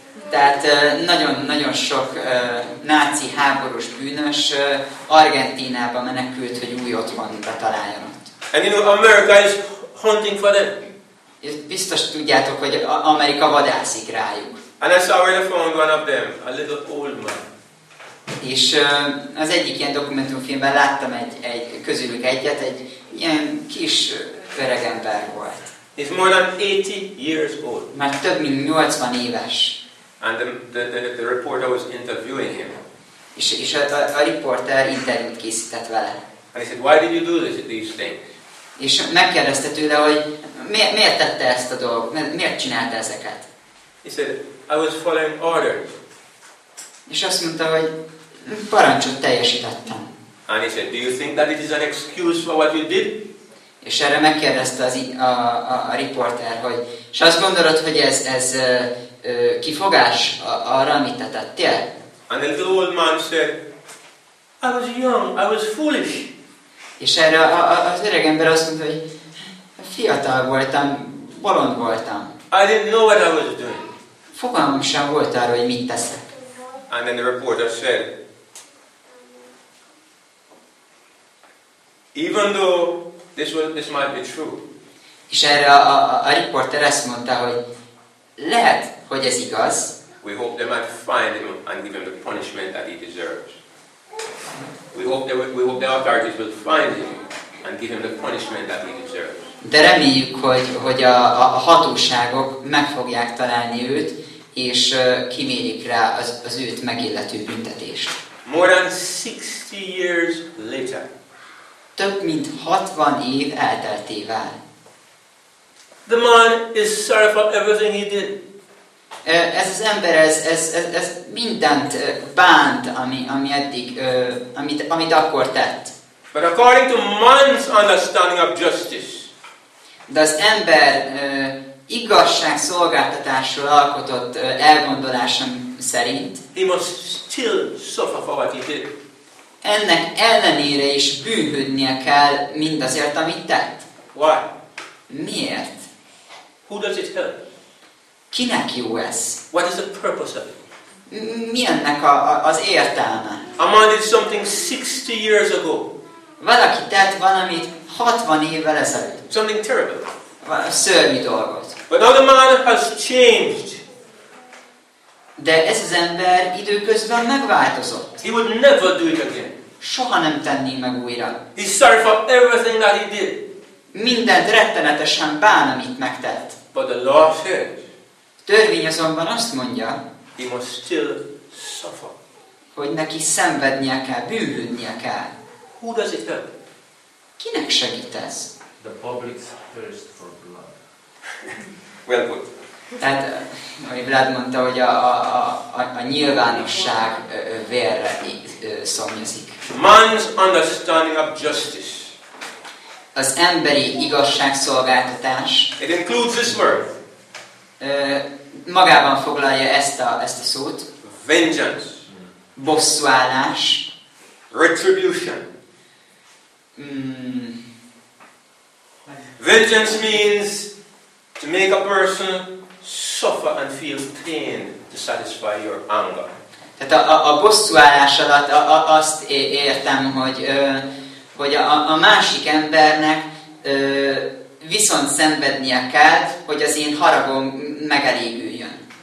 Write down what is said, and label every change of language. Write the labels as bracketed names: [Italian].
[Hungarian] Tehát nagyon-nagyon sok náci háborús bűnös Argentínába menekült, hogy új otthont találjon ott. [English] And you know, America is hunting for them. [Hungarian] Biztos tudjátok, hogy Amerika vadászik rájuk. [English] And I saw where I found one of them, a little old man. [Hungarian] És az egyik ilyen dokumentumfilmben láttam egy közülük egyet, egy ilyen kis öregember volt. [English] He's more than 80 years old. [Hungarian] Már több mint 80 éves. [English] And the reporter was interviewing him. [Hungarian] És a riporter interjút készített vele. [English] And he said, why did you do these things? [Hungarian] És megkérdezte tőle, hogy miért tette ezt a dolgot, miért csinálta ezeket? [English] He said, I was following orders. [Hungarian] És azt mondta, hogy parancsot teljesítettem. [English] And he said, do you think that it is an excuse for what you did? [Hungarian] És erre megkérdezte a riporter, hogy és azt gondolod, hogy ez kifogás arra, amit te tettél? [English] And the little old man said, I was young, I was foolish. [Hungarian] És erre az öreg ember azt mondta, hogy fiatal voltam, bolond voltam. [English] I didn't know what I was doing. [Hungarian] Fogalmam sem volt arra, hogy mit teszek. [English] And then the reporter said, even though this might be true. [Hungarian] És erre a riporter ezt mondta, hogy lehet, hogy ez igaz. [English] We hope they might find him and give him the punishment that he deserves. We hope the authorities will find him and give him the punishment that he deserves. [Hungarian] De reméljük, hogy a hatóságok meg fogják találni őt, és kimérik rá az őt megillető büntetést. [English] More than 60 years later. [Hungarian] Több mint 60 év elteltével. [English] The man is sorry for everything he did. [Hungarian] Ez az ember ez mindent bánt, ami eddig amit akkor tett. [English] But according to man's understanding of justice. [Hungarian] De az ember igazság szolgáltatásról alkotott elgondolásom szerint. [English] He must still suffer for what he did. [Hungarian] Ennek ellenére is bűnhődnie kell mindazért, amit tett. [English] Why? [Hungarian] Miért? [English] Who does it help? [Hungarian] Kinek jó ez? [English] What is the purpose of it? [Hungarian] Mi ennek az értelme? [English] A man did something 60 years ago. [Hungarian] Valaki tett valamit 60 évvel ezelőtt. [English] Something terrible. [Hungarian] Szörnyű dolgot. [English] But now the man has changed. [Hungarian] De ez az ember időközben megváltozott. [English] He would never do it again. [Hungarian] Soha nem tenné meg újra. [English] He's sorry for everything that he did. [Hungarian] Mindent rettenetesen bán, amit megtett. [English] But the law says. [Hungarian] Törvény azonban azt mondja. [English] He must still suffer. [Hungarian] Hogy neki szenvednie kell, bűnhődnie kell. [English] Who does it help? [Hungarian] Kinek segít ez? [English] The public's thirst for blood. Well put. [Hungarian] Tehát, ahogy Vlad mondta, hogy a nyilvánosság vérre szomjazik. [English] Man's understanding of justice. [Hungarian] Az emberi igazságszolgáltatás. [English] It includes this word. [Hungarian] Magában foglalja ezt a szót. [English] Vengeance. [Hungarian] Bosszúállás. [English] Retribution. Vengeance means to make a person suffer and feel pain to satisfy your anger. [Hungarian] Tehát a bosszúállás alatt azt értem, hogy a másik embernek viszont szenvednie kell, hogy az én haragom megelégüljön.